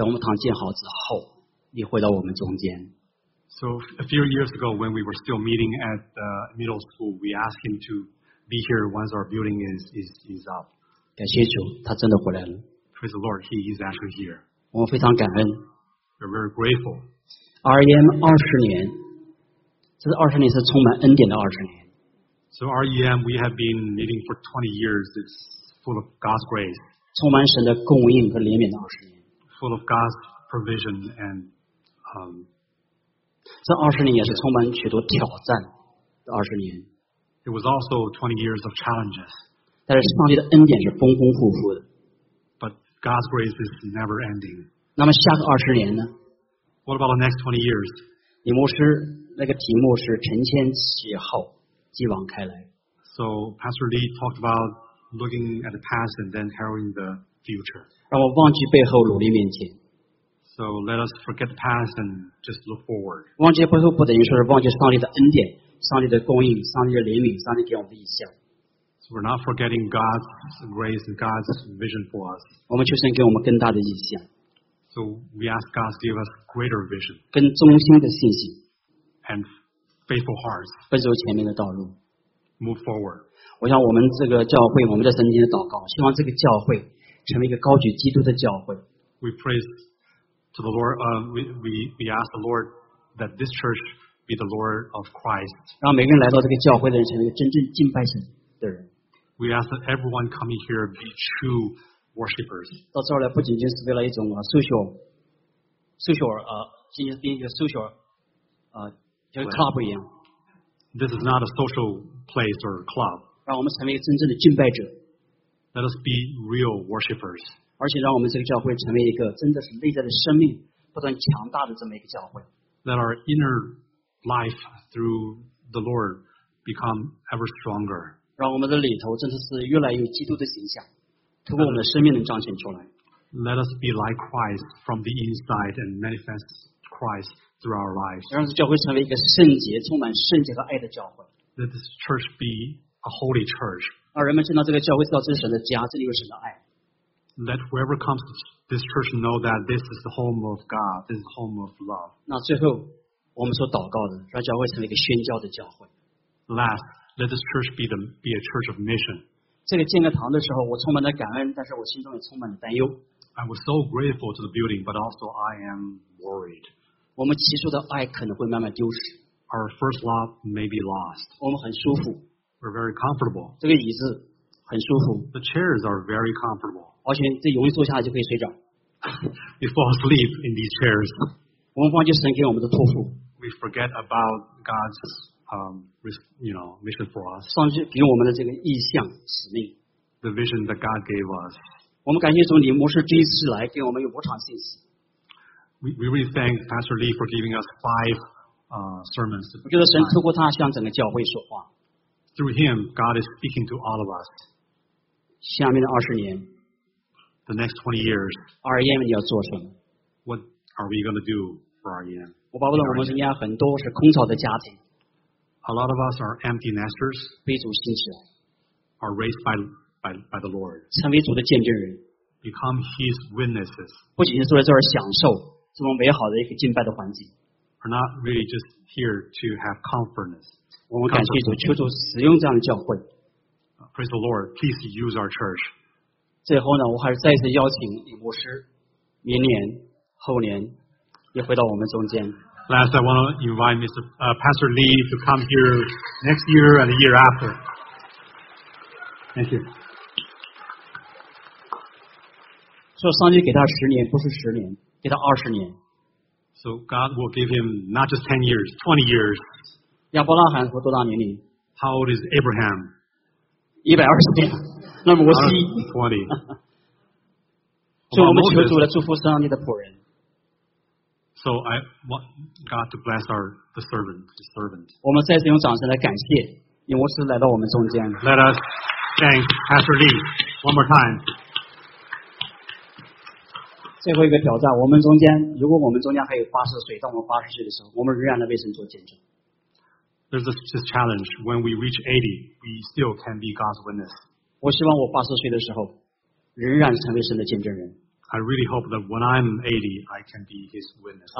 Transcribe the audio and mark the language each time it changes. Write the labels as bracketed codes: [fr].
[zh] 前几年我们在金庸这个学校聚会的时候，我们说牧师，等我们堂建好之后，你回到我们中间。 [en] So a few years ago, when we were still meeting at the middle school, we asked him to be here once our building is up. [zh] 感谢主，他真的回来了。 [en] Praise the Lord, he's actually here. [zh] 我非常感恩。 [en] We're very grateful. [zh] REM 20年，这20年是充满恩典的20年。 [en] So REM, we have been meeting for 20 years. It's full of God's grace. [zh] 充满神的供应和怜悯的20年。 [en] Full of God's provision and [zh] 这20年也是充满许多挑战的20年。 [en] It was also 20 years of challenges. [zh] 但是上帝的恩典是丰丰富富的。 [en] But God's grace is never ending. [zh] 那么下个20年呢? [en] What about the next 20 years? [zh] 李牧师那个题目是晨迁启号继往开来。 [en] So Pastor Lee talked about looking at the past and then heralding the future. [zh] 让我忘记背后努力面前。 [en] So let us forget the past and just look forward. [zh] 忘记背后不等于说是忘记上帝的恩典、上帝的供应、上帝的怜悯、上帝给我们的意象。 [en] So we're not forgetting God's grace and God's vision for us. [zh] 我们求神给我们更大的意象。 [en] So we ask God to give us greater vision. [zh] 更忠心的信心。 [en] And faithful hearts. [zh] 奔走前面的道路。 [en] Move forward. [zh] 我想我们这个教会，我们在神面前的祷告，希望这个教会成为一个高举基督的教会。 [en] We praise to the Lord. We ask the Lord that this church be the Lord of Christ. [zh] 让每个人来到这个教会的人成为一个真正敬拜神的人。 [en] We ask that everyone coming here be true worshippers. [zh] 到这儿来不仅仅是为了一种啊 social 啊，仅仅是一个 social 啊，像 club 一样。 [en] This is not a social place or club. [zh] 让我们成为一个真正的敬拜者。 [en] Let us be real worshippers. [zh] 而且让我们这个教会成为一个真的是内在的生命不断强大的这么一个教会。 [en] Let our inner life through the Lord become ever stronger. [zh] 让我们的里头真的是越来越基督的形象，通过我们的生命能彰显出来。 [en] Let us be like Christ from the inside and manifest Christ through our lives. [zh] 让这教会成为一个圣洁、充满圣洁和爱的教会。 [en] Let this church be a holy church. [zh] 让人们见到这个教会知道这是神的家，这里有神的爱。 [en] Let whoever comes to this church know that this is the home of God. This is the home of love. [zh] 那最后我们所祷告的，让教会成为一个宣教的教会。 [en] Last, let this church be a church of mission. [zh] 这个建个堂的时候，我充满了感恩，但是我心中也充满了担忧。 [en] I was so grateful to the building, but also I am worried. [zh] 我们起初的爱可能会慢慢丢失。 [en] Our first love may be lost. [zh] 我们很舒服。 [en] We're very comfortable. [zh] 这个椅子很舒服。 [en] The chairs are very comfortable. [zh] 而且这容易坐下来就可以睡着。 [en] You fall asleep in these chairs. [zh] 我们忘记神给我们的托付。 [en] We forget about God's, mission for us. [zh] 上帝给我们的这个意向使命。 [en] The vision that God gave us. [zh] 我们感谢主，李牧师第一次来给我们有五场信息。 [en] We really thank Pastor Lee for giving us five, sermons. [zh] 我觉得神透过他向整个教会说话。 [en] Through him, God is speaking to all of us. [zh] 下面的二十年。 [en] The next 20 years. [zh] REM 你要做什么？ [en] What are we going to do for REM? [zh] 我保不了我们应该很多是空巢的家庭。 [en] A lot of us are empty nesters. [zh] 被主兴起来。 [en] Are raised by the Lord. [zh] 成为主的见证人。 [en] Become his witnesses. [zh] 不仅仅坐在这儿享受这么美好的一个敬拜的环境。 [en] Are not really just here to have comfortness. [zh] 我们感谢主，求主使用这样的教会。 [en] Praise the Lord, please use our church. [zh] 最后呢，我还是再次邀请李牧师，明年、后年也回到我们中间。 [en] Last, I want to invite Pastor Lee to come here next year and the year after. Thank you. [zh] 说上帝给他十年，不是十年，给他二十年。 [en] So God will give him not just 10 years, 20 years. [zh] 亚伯拉罕活多大年龄？ [en] How old is Abraham? [zh] 120年。那么我是一。 [en] 120。 [zh] 所以我们求主来祝福上帝的仆人。 [en] So I want God to bless the servant. [zh] 我们再次用掌声来感谢，因为是来到我们中间。 [en] Let us thank Pastor Lee one more time. [zh] 最后一个挑战，我们中间，如果我们中间还有80岁，当我们80岁的时候，我们仍然来为神做见证。 [en] There's this challenge. When we reach 80, we still can be God's witness. [zh] 我希望我80岁的时候，仍然成为神的见证人。 [en] I really hope that when I'm 80, I can be His witness.